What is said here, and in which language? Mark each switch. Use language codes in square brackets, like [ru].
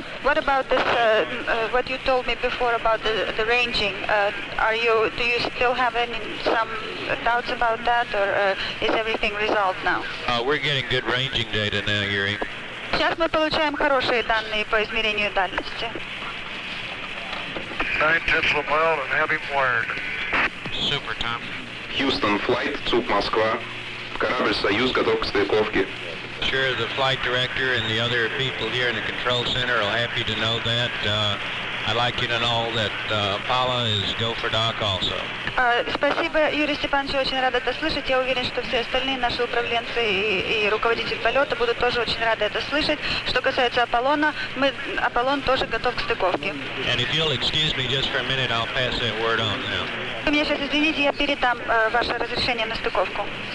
[en] What about this, what you told me before about the ranging? Do you still have some doubts about that, or is everything resolved now? We're getting good ranging data now, Yuri. [ru] Сейчас мы получаем хорошие данные по измерению дальности. [en] 9 tenths of a mile and heavy wired. Super, Tom. Houston flight, [ru] ЦУП Москва. Корабль «Союз» готов к стыковке. [en] Sure, the flight director and the other people here in the control center are happy to know that. I'd like you to know that Apollo is go for dock also. [ru] Спасибо, Юрий Степанович, очень рад это слышать. Я уверен, что все остальные наши управленцы и руководитель полета будут тоже очень рады это слышать. Что касается Аполлона, Аполлон тоже готов к стыковке. [en] And if you'll excuse me just for a minute, I'll pass that word on now. [ru] Вы меня сейчас извините, я передам ваше разрешение на стыковку.